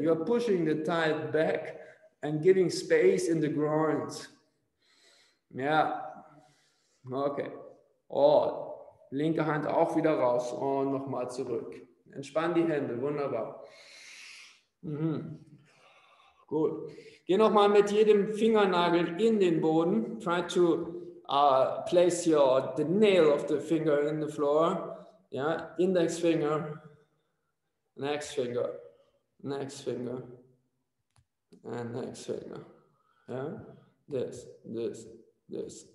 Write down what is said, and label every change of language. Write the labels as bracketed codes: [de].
[en] You are pushing the thigh back and giving space in the groins. [de] Ja. Okay. Oh, linke Hand auch wieder raus und nochmal zurück. Entspann die Hände. Wunderbar. Mhm. Gut. Geh nochmal mit jedem Fingernagel in den Boden. [en] Try to place the nail of the finger in the floor. Ja, index finger. Next finger, next finger, and next finger. Yeah, this.